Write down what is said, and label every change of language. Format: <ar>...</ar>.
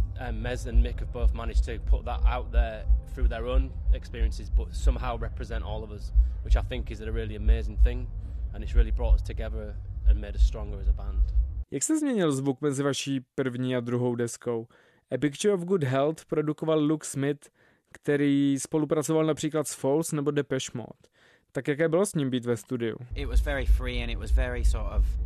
<en>Mez and Mick have both managed to put that out there through their own experiences, but somehow represent all of us, which I think is a really amazing thing, and it's really brought us together and made us stronger as a band.</en> <cs>Jak se změnil zvuk mezi vaší první a druhou deskou? A Picture of Good Health produkoval Luke Smith, který spolupracoval například s Foals nebo Depeche Mode. Tak jaké bylo s ním být ve studiu?</cs> <en>It was very free and it was very sort of...</en>